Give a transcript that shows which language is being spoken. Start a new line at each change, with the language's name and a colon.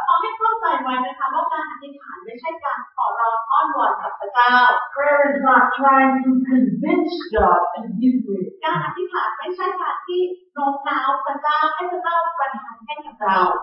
Thai: ขอให้เข้าใจไว้นะคะว่าการอธิษฐานไม่ใช่การขอร้องอ้อนวอนกับพระเจ้า
English: Prayer is not trying to convince God to give you.
Thai: การอธิษฐานไม่ใช่การที่โน้มน้าวพระเจ้าให้พระเจ้าประทานให้กับเรา